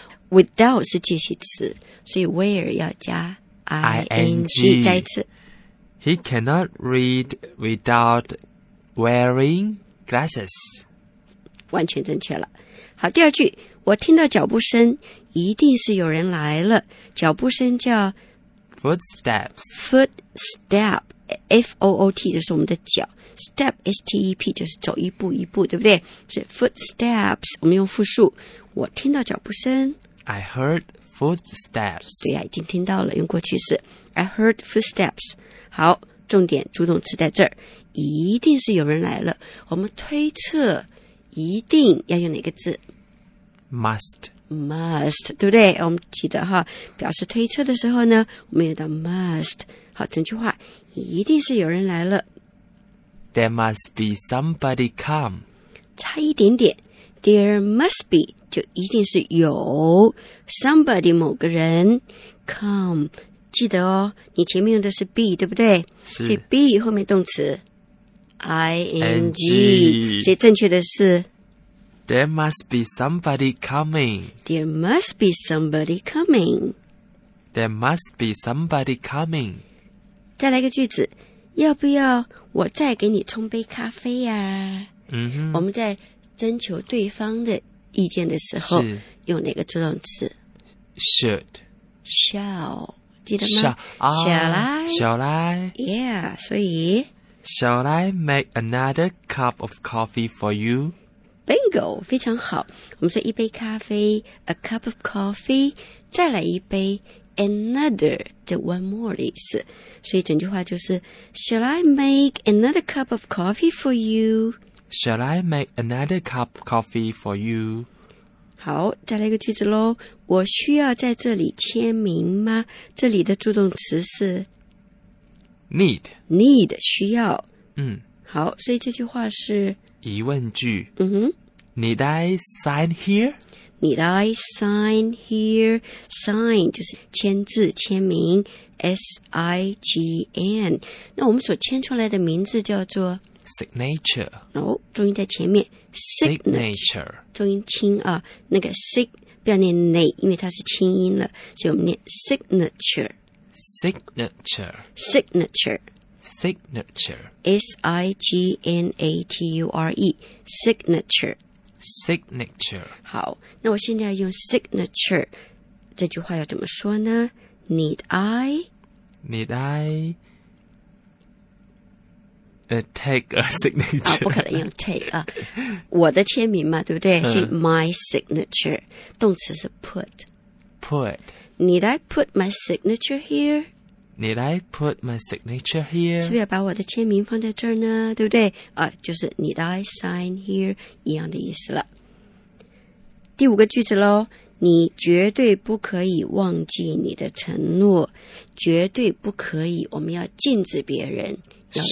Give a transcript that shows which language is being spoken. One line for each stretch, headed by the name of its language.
Chinese: Without 是介系词，所以 wear 要加 ing。再一次
English: ，He cannot read without wearing glasses.
Chinese: 完全正确了。好，第二句，我听到脚步声，一定是有人来了。脚步声叫
English: footsteps.
Chinese: Footstep, F O O T， 就是我们的脚。 Step, S-T-E-P, 就是走一步一步，对不对？是 footsteps, 我们用复数。我听到脚步声。
English: I heard footsteps.
Chinese: 对啊，已经听到了，用过去式。
English: I heard footsteps.
Chinese: 好，重点助动词在这儿。一定是有人来了。我们推测一定要用哪个字
English: ?Must.
Chinese: Must, 对不对？我们记得哈，表示推测的时候呢，我们用到 must。好，整句话，一定是有人来了。
English: There must be somebody come.
Chinese: 差一点点。
English: There must be,
Chinese: 就一定是有 somebody 某个人 come. 记得哦，你前面用的是 be, 对不对？是。所以 be 后面动词 ,ing. 所以正确的是
English: There must be somebody coming. There must be somebody coming. There must be somebody coming.
Chinese: 再来一个句子，要不要我再给你冲杯咖啡呀、啊？嗯哼，我们在征求对方的意见的时候，用哪个助动词
English: ？Should, shall, 记得吗？Shall I?
Chinese: Yeah, 所以
English: Shall I make another cup of coffee for you?
Chinese: Bingo, 非常好。我们说一杯咖啡 ，
English: a cup of coffee，
Chinese: 再来一杯。
English: Another, 这 one more
Chinese: 的意思，所以整句话就是
English: Shall I make another cup of coffee for you? Shall I make another cup of coffee for you?
Chinese: 好，再来一个句子咯，我需要在这里签名吗？这里的助动词是
English: Need.
Chinese: Need, 需要。嗯，好，所以这句话是疑问句。嗯哼，
English: Need I sign here? Need I sign here?
Chinese: Sign 就是签字签名 S-I-G-N 那我们所签出来的名字叫做
English: Signature
Chinese: 哦，重音在前面
English: Signature
Chinese: 重音轻啊，那个 sig 不要念 ne 因为它是轻音了所以我们念 Signature
English: Signature Signature Signature S-I-G-N-A-T-U-R-E Signature Signature
Chinese: 好那我现在要用 signature 这句话要怎么说呢 Need I
English: Need I take a signature.
Chinese: 不可能用 take 啊，我的签名嘛，对不对？是
English: my signature，
Chinese: 动词是 put。
English: Put. Need I put my signature here? Need I put my signature here?
Chinese: 是不是要把我的签名放在这儿呢？对不对？啊，就是
English: need I sign here
Chinese: 一样的意思了。第五个句子喽。你绝对不可以忘记你的承诺，绝对不可以。我们要禁止别人要